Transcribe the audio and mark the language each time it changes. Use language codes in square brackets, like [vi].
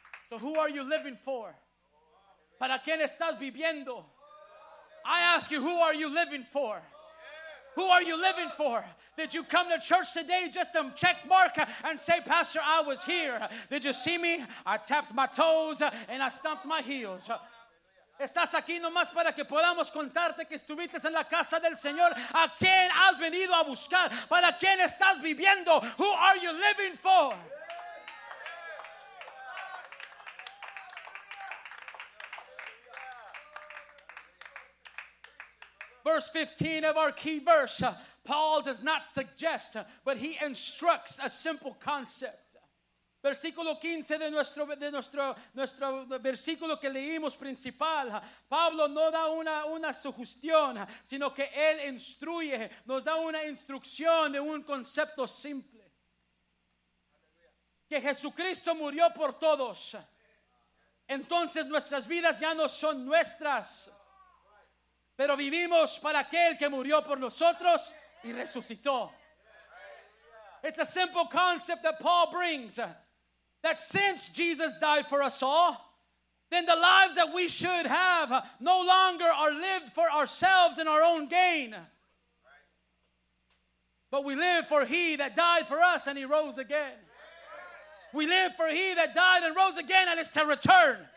[en] So who are you living for? [es] ¿Para quién estás viviendo? [en] I ask you, who are you living for? Who are you living for? Did you come to church today just to check mark and say, Pastor, I was here? Did you see me? I tapped my toes and I stomped my heels. [es] ¿Estás aquí nomás para que podamos contarte que estuviste en la casa del Señor? ¿A quién has venido a buscar? ¿Para quién estás viviendo? [en] Who are you living for? Verse 15 of our key verse, Paul does not suggest, but he instructs a simple concept. [es] Versículo 15 de nuestro versículo que leímos principal, Pablo no da una sugestión, sino que él instruye, nos da una instrucción de un concepto simple. Que Jesucristo murió por todos, entonces nuestras vidas ya no son nuestras. Pero vivimos para aquel que murió por nosotros y resucitó. [en] It's a simple concept that Paul brings, that since Jesus died for us all, then the lives that we should have no longer are lived for ourselves and our own gain. But we live for he that died for us and he rose again. We live for he that died and rose again and is to return.